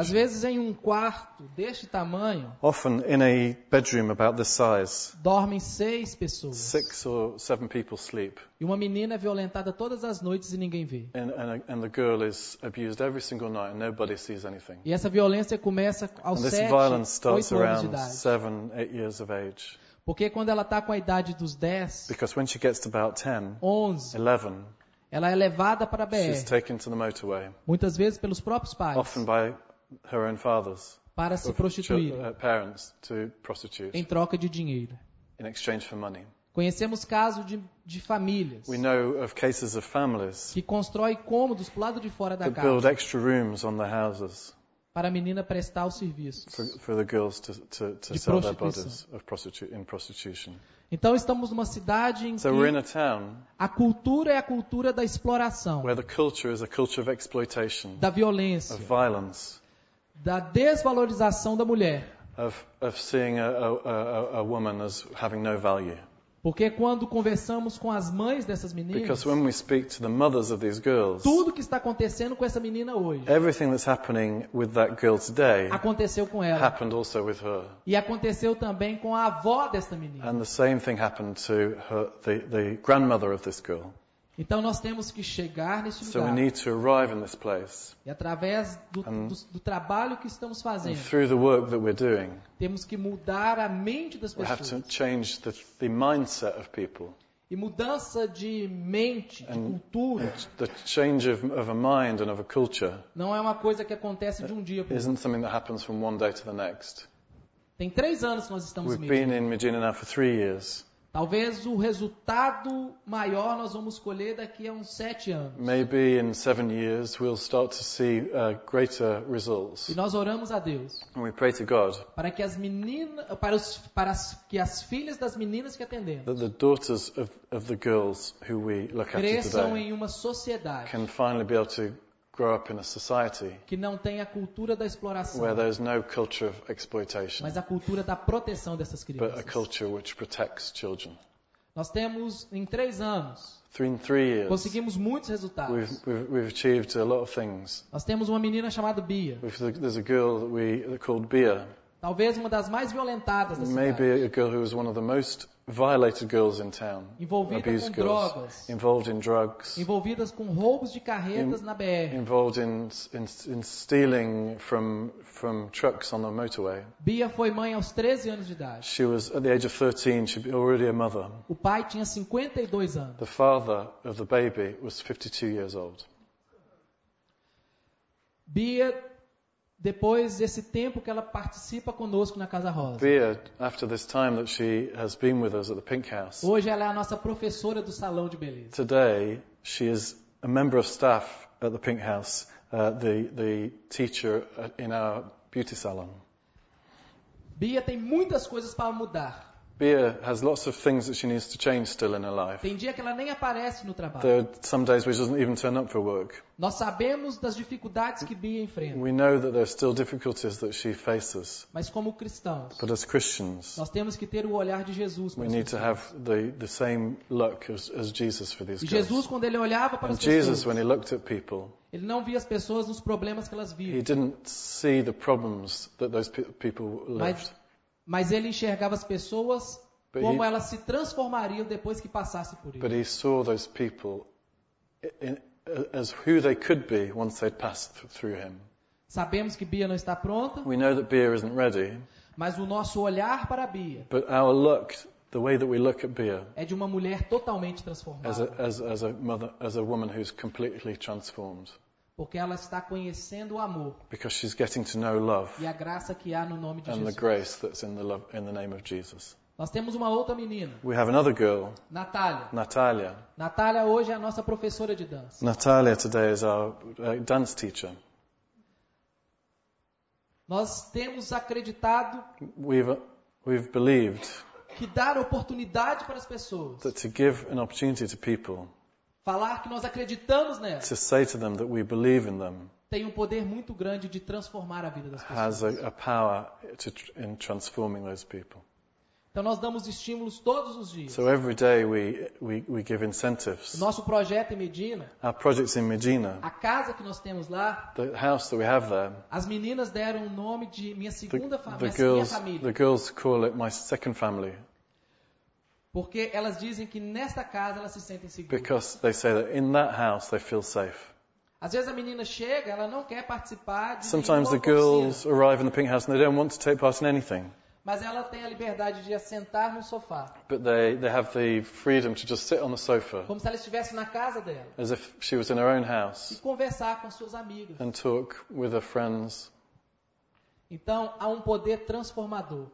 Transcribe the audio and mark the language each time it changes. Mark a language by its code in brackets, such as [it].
[pt] Às vezes em um quarto deste tamanho, [en] often in a bedroom about this size, [pt] dormem 6 pessoas. [en] 6 or 7 people sleep. [pt] E uma menina é violentada todas as noites e ninguém vê. [en] And the girl is abused every single night and nobody sees anything. [pt] E essa violência começa aos 7 anos. [en] This violence starts around 7, 8 years of age. [pt] Porque quando ela está com a idade dos 10, [en] because when she gets to about 10, [pt] 11, [en] 11, [pt] ela é levada para a BR. [en] She's taken to the motorway. [pt] Muitas vezes pelos próprios pais. [en] Often by her own fathers. [pt] Para se prostituir. [en] Parents to prostitute. [pt] Em troca de dinheiro. [en] In exchange for money. [pt] Conhecemos casos de famílias. [en] We know of cases of families. [pt] Que constrói cômodos pro lado de fora da casa. [en] To build extra rooms on the houses. [pt] Para a menina prestar o serviço. [en] For the girls to sell their bodies of in prostitution. [pt] Então estamos numa cidade em [en] so [pt] que [en] we're in a town [pt] a cultura é a cultura da exploração. [en] Where the culture is a culture of exploitation. [pt] Da violência. [en] Of violence. [pt] Da desvalorização da mulher. [en] Of seeing a woman as having no value. [pt] Porque quando conversamos com as mães dessas meninas, [en] because when we speak to the mothers of these girls, [pt] tudo que está acontecendo com essa menina hoje, [en] everything that's happening with that girl today, [pt] aconteceu com ela, [en] happened also with her, [pt] e aconteceu também com a avó dessa menina, [en] and the same thing happened to her, the grandmother of this girl. [pt] Então nós temos que chegar nesse lugar. [en] So we need to arrive in this place. [pt] E através do trabalho que estamos fazendo. [en] Through the work that we're doing. [pt] Temos que mudar a mente das pessoas. [en] We have to change the mindset of people. [pt] E mudança de mente, [en] and [pt] de cultura. [en] The change of a mind and of a culture. [pt] Não é uma coisa que acontece de um dia para o outro. [en] Isn't something that happens from one day to the next. [pt] Tem 3 anos que nós estamos em Medina. [en] We've been in Medina now for 3 years. [pt] Talvez o resultado maior nós vamos colher daqui a uns 7 anos. [en] Maybe in 7 years we'll start to see greater results. [pt] E nós oramos a Deus. [en] And we pray to God. [pt] Para que as meninas, que as filhas das meninas que atendemos. [en] That the daughters of the girls who we look after today. [pt] Cresçam em uma sociedade. [en] Can finally be able to grow up in a society [pt] que não tem a cultura da exploração, [en] where there is no culture of exploitation, [pt] mas a cultura da proteção dessas crianças, [en] but a culture which protects children. [pt] Nós temos em 3 anos [en] in 3 years, [pt] conseguimos muitos resultados. [en] We've achieved a lot of things. [pt] Nós temos uma menina chamada Bia. [en] There's a girl that we called Bia. [pt] Talvez uma das mais violentadas da [en] maybe [pt] cidade. [en] A girl who was one of the most violated girls in town. [pt] Envolvida [en] abused [pt] com [en] girls, [pt] drogas. [en] Involved in drugs. [pt] Envolvidas com roubos de carretas na BR. [en] Involved in stealing from trucks on the motorway. [pt] Bia foi mãe aos 13 anos de idade. [en] She was at the age of 13, she'd be already a mother. [pt] O pai tinha 52 anos. [en] The father of the baby was 52 years old. [pt] Bia, depois desse tempo que ela participa conosco na Casa Rosa. [en] Bia, after this time that she has been with us at the Pink House. [pt] Hoje ela é a nossa professora do Salão de Beleza. [en] Today she is a member of staff at the Pink House, the teacher in our beauty salon. [pt] Bia tem muitas coisas para mudar. [en] Bia has lots of things that she needs to change still in her life. [pt] Tem dia que ela nem aparece no trabalho. [en] There are some days where she doesn't even turn up for work. [pt] Nós sabemos das dificuldades que Bia enfrenta. [en] We know that there are still difficulties that she faces. [pt] Mas como cristãos, [en] but as Christians, [pt] nós temos que ter o olhar de Jesus. [en] We need to have the same look as Jesus for these girls. [pt] Jesus, quando ele olhava para as pessoas, [en] when he looked at people, [pt] ele não via as pessoas nos problemas que elas viviam. [en] He didn't see the problems that those people lived. [pt] Mas ele enxergava as pessoas como elas se transformariam depois que passasse por isso. [en] But he saw those people as who they could be once they'd passed through him. [pt] Sabemos que Bia não está pronta. [en] We know that Bia isn't ready. [pt] Mas o nosso olhar para Bia. [en] But our look, the way that we look at Bia, [pt] é de uma mulher totalmente transformada. [en] As a mother, as a woman who's completely transformed. [pt] Porque ela está conhecendo o amor. [en] Because she's getting to know love. [pt] E a graça que há no nome de Jesus. [en] And the grace that's in the love, in the name of Jesus. [pt] Nós temos uma outra menina. [en] We have another girl. [pt] Natália. Natália hoje é a nossa professora de dança. [en] Natália today is our dance teacher. [pt] Nós temos acreditado. [en] We've believed. [pt] Que dar oportunidade para as pessoas. [en] That to give an opportunity to people. [pt] Falar que nós acreditamos nela. [en] To say to them that we believe in them. [pt] Tem um poder muito grande de transformar a vida das pessoas. [en] Has a power to in transforming those people. [pt] Então nós damos estímulos todos os dias. [en] So every day we give incentives. [pt] O nosso projeto em Medina. [en] Our projects in Medina. [pt] A casa que nós temos lá. [en] The house that we have there. [pt] As meninas deram o nome de minha segunda família. [en] The girls, the girls call it my second family. [pt] Porque elas dizem que nesta casa elas se sentem seguras. [en] Because they say that in that house they feel safe. [pt] Às vezes a menina chega, ela não quer participar de [en] sometimes [pt] nenhuma [en] the girls [pt] cozinha. [en] Arrive in the Pink House and they don't want to take part in anything. [pt] Mas ela tem a liberdade de assentar no sofá. [en] But they have the freedom to just sit on the sofa. [pt] Como se ela estivesse na casa dela. [en] As if she was in her own house. [pt] E conversar com seus amigos. [en] And talk with her friends. [pt] Então há um poder transformador.